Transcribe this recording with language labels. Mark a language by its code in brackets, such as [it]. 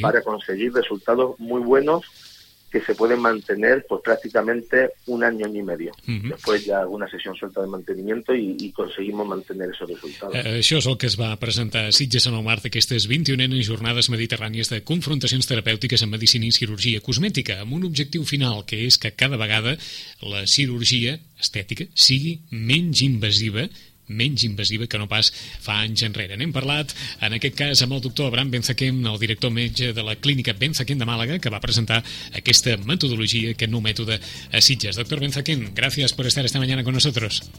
[es] para conseguir resultados muy buenos que se pueden mantener pues prácticamente un año y medio. Uh-huh. Después ya una sesión suelta de mantenimiento y conseguimos mantener esos resultados. [ca] Això és el que es va presentar a Sitges en el marc d'aquestes 21enes jornades mediterrànies de confrontacions terapèutiques en medicina i cirurgia cosmètica, amb un objectiu final, que és que cada vegada la cirurgia estètica sigui menys invasiva que no pas fa anys enrere. N'hem parlat, en aquest cas, amb el doctor Abraham Benzaquem, el director metge de la Clínica Benzaquem de Màlaga, que va presentar aquesta metodologia, aquest nou mètode a Sitges. [es] Doctor Benzaquem, gracias por estar esta mañana con nosotros.